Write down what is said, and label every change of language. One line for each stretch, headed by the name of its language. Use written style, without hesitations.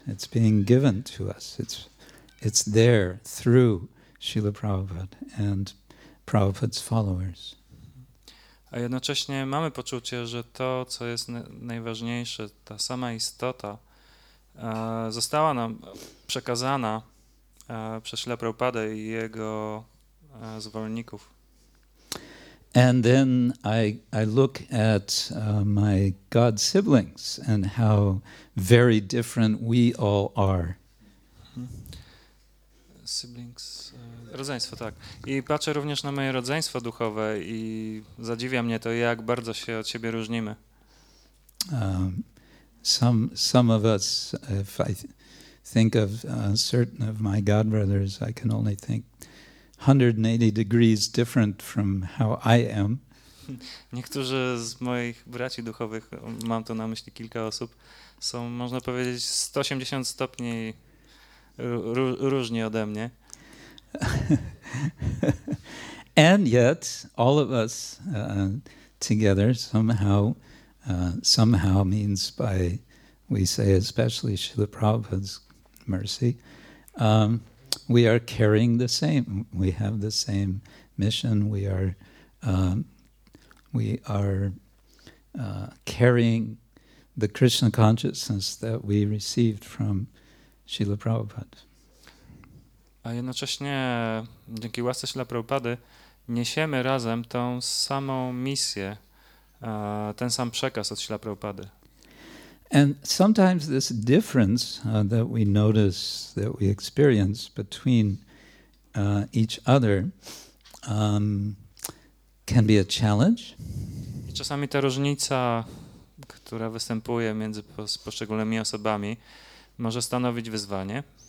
English: It's being given to us. It's there through Srila Prabhupada and Prabhupada's followers.
Polish: A jednocześnie mamy poczucie, że to, co jest najważniejsze, ta sama istota, została nam przekazana przez Śrila Prabhupada i jego zwolenników.
English: And then I look at my god siblings and how very different we all are.
Polish: Siblings, rodzeństwo, tak. I patrzę również na moje rodzeństwo duchowe i zadziwia mnie to, jak bardzo się od siebie różnimy.
English: Some of us, if I think of certain of my god brothers, I can only think 180 degrees different from how I am.
Polish: Niektórzy z moich braci duchowych, mam tu na myśli kilka osób, są, można powiedzieć, 180 stopni różni ode mnie.
English: And yet, all of us together somehow means by, we say especially Srila Prabhupada's mercy, we are carrying the same. We have the same mission. We are carrying the Krishna consciousness that we received from Srila Prabhupada.
Polish: A jednocześnie dzięki łasce Śla Prabhupady niesiemy razem tą samą misję, ten sam przekaz od Śla Prabhupady.
English: And sometimes this difference that we notice, that we experience between each other can be a challenge.
Polish: I czasami ta różnica, która występuje między poszczególnymi osobami, może stanowić wyzwanie.